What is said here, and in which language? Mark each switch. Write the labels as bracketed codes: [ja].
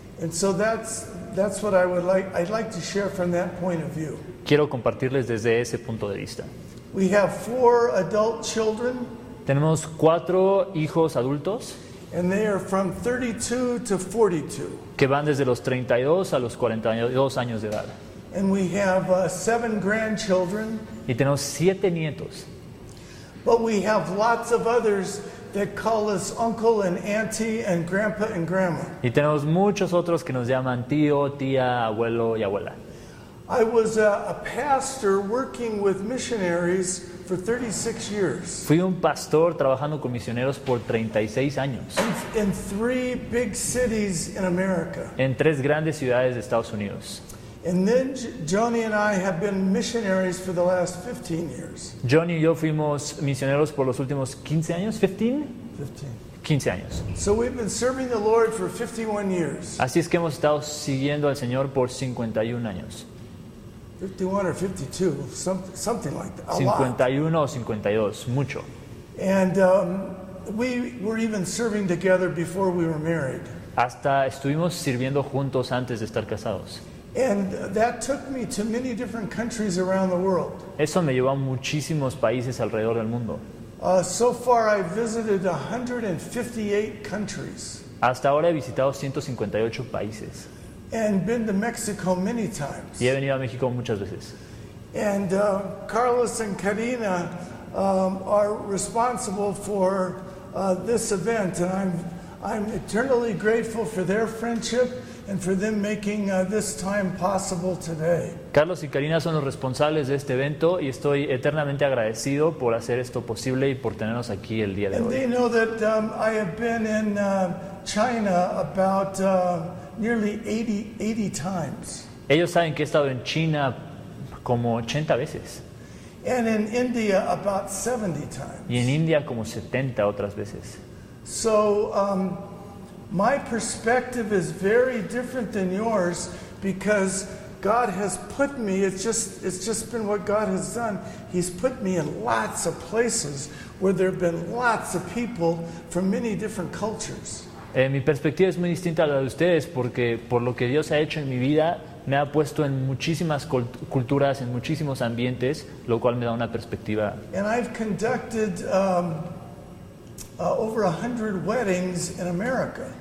[en] And so that's what I would like. I'd like to share from that point of view. [es] Quiero compartirles desde ese punto de vista. [en] We have 4 adult children. [es] Tenemos 4 hijos adultos. [en] And they are from 32 to 42. [es] Que van desde los 32 a los 42 años de edad. [en] And we have 7 grandchildren. [es] Y tenemos 7 nietos. [en] But we have lots of others that call us uncle and auntie and grandpa and grandma. [es] Y tenemos muchos otros que nos llaman tío, tía, abuelo y abuela. [en] I was a pastor working with missionaries for 36 years. [es] Fui un pastor trabajando con misioneros por 36 años. [en] In 3 big cities in America. [es] En 3 grandes ciudades de Estados Unidos. [en] And then Johnny and I have been missionaries for the last 15 years. [es] Johnny y yo fuimos misioneros por los últimos 15 años. [en] 15? 15. [es] 15 años. [en] So we've been serving the Lord for 51 years. [es] Así es que hemos estado siguiendo al Señor por 51 años. [en] 51 or 52, something like that. [es] 51 o 52, mucho. [en] And we were even serving together before we were married. [es] Hasta estuvimos sirviendo juntos antes de estar casados. [en] And that took me to many different countries around the world. [es] Eso me llevó a muchísimos países alrededor del mundo. [en] So far I've visited 158 countries. [es] Hasta ahora he visitado 158 países. [en] And been to Mexico many times. [es] Y he venido a México muchas veces. [en] And Carlos and Karina are responsible for this event, and I'm eternally grateful for their friendship and for them making this time possible today. [es] Carlos y Karina son los responsables de este evento y estoy eternamente agradecido por hacer esto posible y por tenernos aquí el día de hoy. [en] And they know that I have been in China about nearly 80 times. [es] Ellos saben que he estado en China como 80 veces. [en] And in India about 70 times. [es] Y en India como 70 otras veces. [en] So my perspective is very different than yours because God has put me, it's just been what God has done. He's put me in lots of places where there have been lots of people from many different cultures. [es] Mi perspectiva es muy distinta a la de ustedes porque por lo que Dios ha hecho en mi vida, me ha puesto en muchísimas culturas, en muchísimos ambientes, lo cual me da una perspectiva. [en] And I've conducted over 100 weddings in America.